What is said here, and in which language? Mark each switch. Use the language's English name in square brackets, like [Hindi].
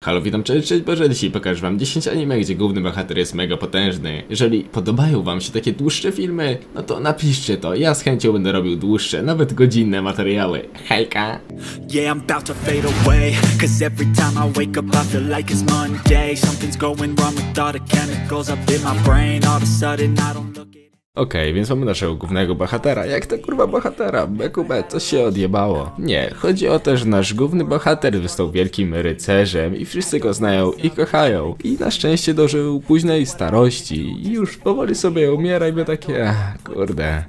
[Polish] Halo, witam, cześć, cześć, Boże, dzisiaj pokażę wam 10 anime, gdzie główny bohater jest mega potężny. Jeżeli podobają wam się takie dłuższe filmy, no to napiszcie to, ja z chęcią będę robił dłuższe, nawet godzinne materiały. Hejka! [English] Yeah, I'm about to fade away, cause every time I wake up I feel like it's Monday. Something's going wrong with all the chemicals up in my brain. All of a sudden I don't look at... [Polish] Okej, więc mamy naszego głównego bohatera. Jak to kurwa bohatera? BQB, co się odjebało? Nie, chodzi o to, że nasz główny bohater został wielkim rycerzem i wszyscy go znają i kochają. I na szczęście dożył późnej starości i już powoli sobie umiera i by takie, kurde.